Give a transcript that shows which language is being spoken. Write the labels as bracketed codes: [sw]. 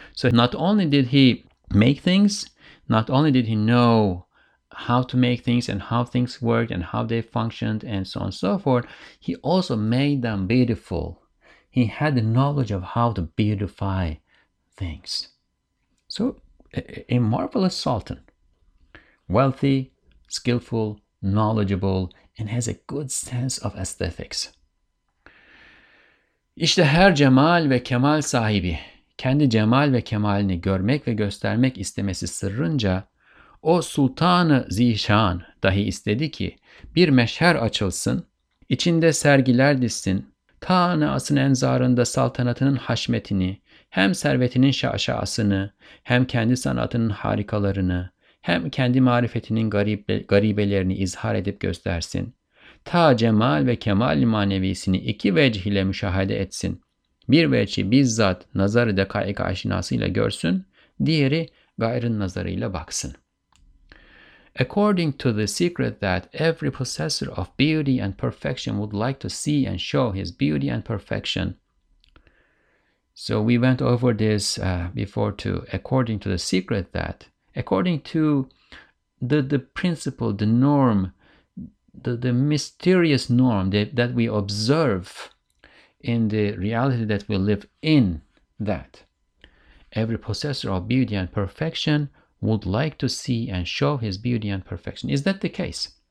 [en] So not only did he make things, not only did he know how to make things and how things worked and how they functioned and so on and so forth, he also made them beautiful. He had the knowledge of how to beautify things. So a marvelous sultan, wealthy, skillful, knowledgeable, and has a good sense of aesthetics. [tr] İşte her cemal ve kemal sahibi, kendi cemal ve kemalini görmek ve göstermek istemesi sırrınca, o sultanı zişan dahi istedi ki, bir meşher açılsın, içinde sergiler dizsin, ta nasın enzarında saltanatının haşmetini, hem servetinin şaşasını, hem kendi sanatının harikalarını, hem kendi marifetinin garibelerini izhar edip göstersin. Ta cemal ve kemal manevisini iki vecih ile müşahede etsin. Bir vecihi bizzat nazarı dekaik aşinasıyla görsün, diğeri gayrın nazarıyla baksın. [en] According to the secret that every possessor of beauty and perfection would like to see and show his beauty and perfection. So we went over this before too. According to the secret that, according to the principle, the norm, the mysterious norm that we observe in the reality that we live in, that every possessor of beauty and perfection would like to see and show his beauty and perfection. Is that the case?